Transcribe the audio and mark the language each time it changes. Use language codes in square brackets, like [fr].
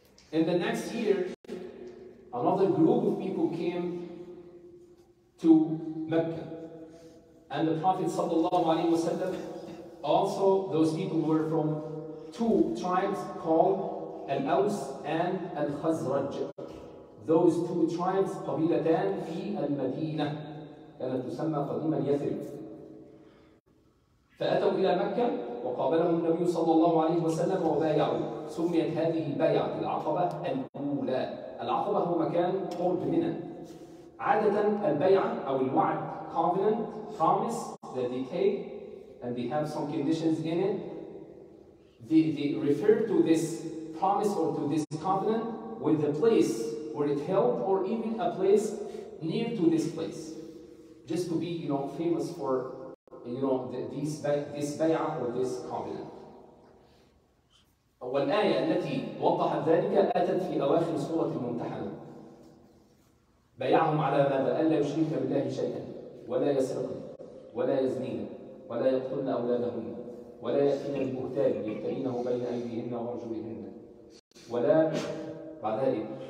[en] In the next year, another group of people came to Mecca. And the Prophet sallallahu alaihi wasallam, also those people were from 2 tribes called Al-Aws and Al-Khazraj. Those 2 tribes, [ar] قبيلتان في المدينة كانت تسمى قديما يثرب. فأتوا إلى مكة وقابلهم النبي صلى الله عليه وسلم وبايعوا. سميت هذه البيعة العقبة الأولى. العقبة هو مكان قرب منى. عادة البيعة أو الوعد [en] covenant promise that they take and they have some conditions in it. They refer to this promise or to this covenant with the place where it held or even a place near to this place, just to be, you know, famous for, you know, this bay'ah or this covenant. [ar] والآية التي وضحت ذلك أتت في أواخر سورة الممتحنة. بايعهم على ماذا؟ ألا يشرك بالله شيئا ولا يسرق ولا يزني ولا يقتل أولادهن ولا يأتين بالبهتان يفترينه بين أيديهن وأرجلهن ولا بعد ذلك